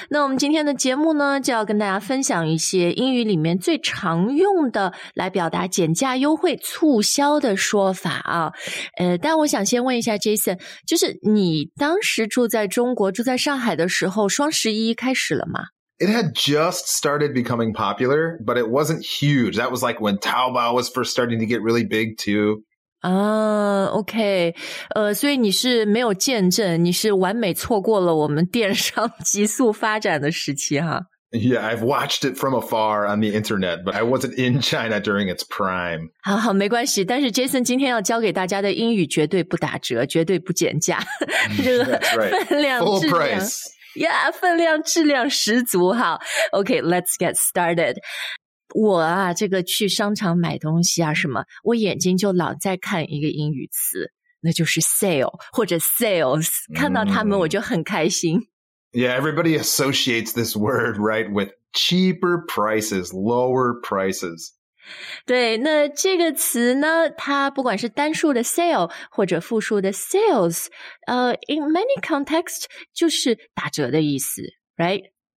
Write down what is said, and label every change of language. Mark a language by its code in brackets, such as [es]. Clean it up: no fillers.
[zh] 那我们今天的节目呢，就要跟大家分享一些英语里面最常用的来表达减价、优惠、促销的说法啊。但我想先问一下 Jason， 就是你当时住在中国、住在上海的时候，双十一开始了吗？ [en] It had just started becoming popular, but it wasn't huge. That was like when Taobao was first starting to get really big too. Okay. [zh] 所以你是没有见证，你是完美错过了我们电商急速发展的时期哈。 [en] Yeah, I've watched it from afar on the internet, but I wasn't in China during its prime. [zh] 好好，没关系。但是 Jason 今天要教给大家的英语绝对不打折，绝对不减价。 [en] That's right. [zh] 分量 [en] Full price. Yeah, [zh] 分量质量十足哈。 [en] Okay, let's get started. [zh] 我啊，这个去商场买东西啊什么，我眼睛就老在看一个英语词，那就是 sale 或者 sales， 看到他们我就很开心。 [en] Yeah, everybody associates this word, right, with cheaper prices, lower prices. [zh] 对，那这个词呢，它不管是单数的 sale 或者复数的 sales， [en] in many contexts [zh] 就是打折的意思， right?